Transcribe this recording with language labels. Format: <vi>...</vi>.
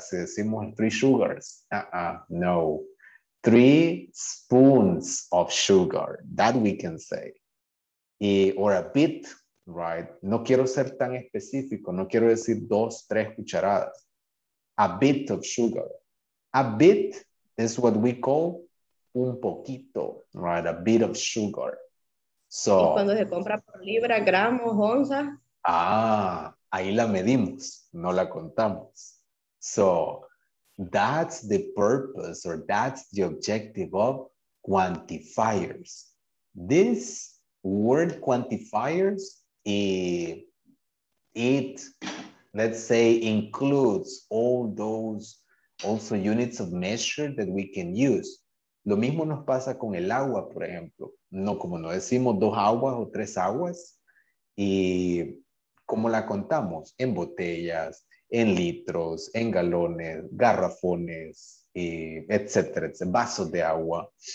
<es>Si decimos</es> <en>three sugars. No. Three spoons of sugar. That we can say. Or a bit, right?</en> <es>No quiero ser tan específico. No quiero decir dos, tres cucharadas.</es> <en>A bit of sugar. A bit is what we call</en> <es>un poquito,</es> <en>right? A bit of sugar. So,</en> <es>y cuando se compra por libra, gramos, onza. Ahí la medimos, no la contamos.</es> <en>So, that's the purpose or that's the objective of quantifiers. This word quantifiers, it, let's say, includes all those also units of measure that we can use.</en> <es>Lo mismo nos pasa con el agua, por ejemplo. No, como no decimos dos aguas o tres aguas, y ¿cómo la contamos? En botellas, en litros, en galones, garrafones, etcétera, etcétera, vasos de agua.</es>